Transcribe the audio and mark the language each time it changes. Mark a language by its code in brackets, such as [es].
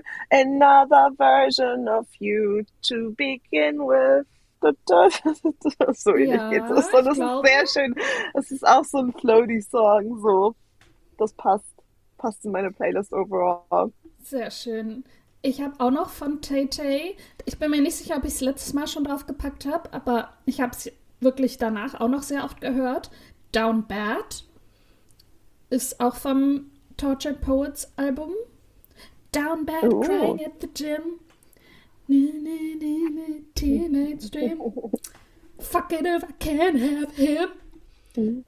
[en] Another version of you to begin with. [de] So ähnlich geht es. ich das ist sehr glaube. schön. Es ist auch so ein Floaty-Song. So. Das passt in meine Playlist overall. Sehr schün. Ich habe auch noch von Tay Tay. Ich bin mir nicht sicher, ob ich es letztes Mal schon draufgepackt habe, aber ich habe es wirklich danach auch noch sehr oft gehört. Down Bad ist auch vom Tortured Poets Album. [en] Down Bad, crying at the gym. Nee, teenage dream. Fuck it if I can't have him.